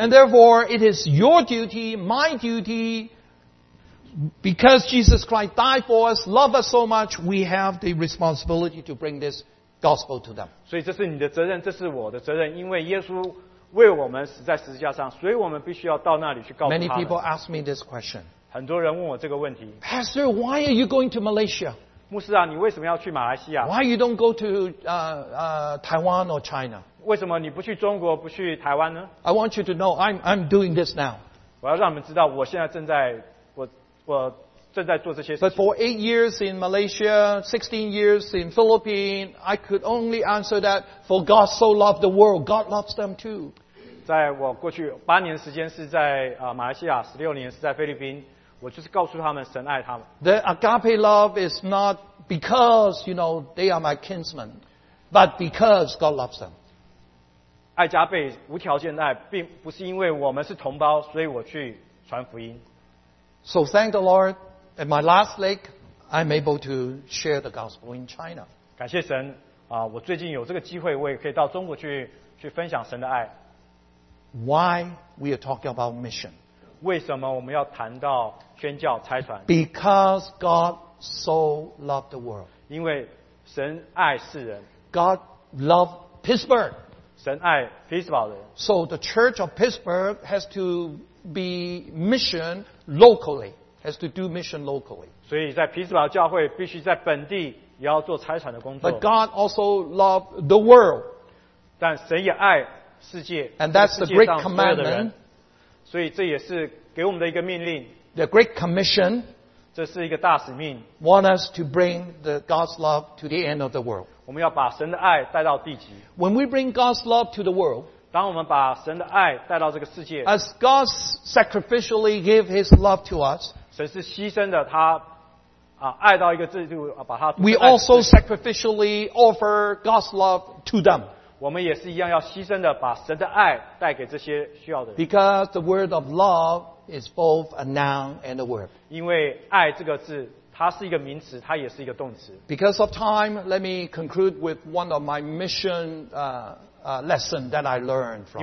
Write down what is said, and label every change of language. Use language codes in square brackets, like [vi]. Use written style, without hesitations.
[en] And therefore, it is your duty, my duty, because Jesus Christ died for us, loved us so much, we have the responsibility to bring this gospel to them. [zh] 所以这是你的责任，这是我的责任，因为耶稣为我们死在十字架上，所以我们必须要到那里去告诉他们。 [en] Many people ask me this question. [zh] 很多人问我这个问题。 [en] Pastor, why are you going to Malaysia? [zh] 牧师啊，你为什么要去马来西亚 [en] ？Why you don't go to Taiwan or China？ [zh] 为什么你不去中国，不去台湾呢 [en] ？I want you to know, I'm doing this now. [zh] 我要让你们知道，我现在正在做这些事情。 [en] But for 8 years in Malaysia, 16 years in Philippines, I could only answer that for God so loved the world, God loves them too. [zh] 在我过去8年时间是在马来西亚，16年是在菲律宾。我就是告诉他们，神爱他们。 [en] The agape love is not because you know they are my kinsmen, but because God loves them. [zh] 爱加倍无条件的爱，并不是因为我们是同胞，所以我去传福音。 [en] So thank the Lord. And my last leg, I'm able to share the gospel in China. [zh] 感谢神啊，我最近有这个机会，我也可以到中国去分享神的爱。 [en] Why we are talking about mission? [zh] 为什么我们要谈到宣教差传 [en] ？Because God so loved the world. [zh] 因为神爱世人。 [en] God loved Pittsburgh. [zh] 神爱 Pittsburgh 人。 [en] So the Church of Pittsburgh has to be mission locally. Has to do mission locally. [zh] 所以在匹兹堡教会必须在本地也要做差传的工作。 [en] But God also loved the world. [zh] 但神也爱。 [en] And that's the great commandment. [zh] 所以这也是给我们的一个命令。 [en] The great commission. [zh] 这是一个大使命。 [en] Want us to bring the God's love to the end of the world. [zh] 我们要把神的爱带到地极。 [en] When we bring God's love to the world, [zh] 当我们把神的爱带到这个世界， [en] as God sacrificially gave His love to us, [zh] 神是牺牲的，他啊爱到一个制度，把他。 [en] We also sacrificially offer God's love to them. [zh] 我们也是一样要牺牲的把神的爱带给这些需要的人。 [en] Because the word of love is both a noun and a verb. [zh] 因为爱这个字它是一个名词它也是一个动词。 [en] Because of time, let me conclude with one of my mission, lesson that I learned from God.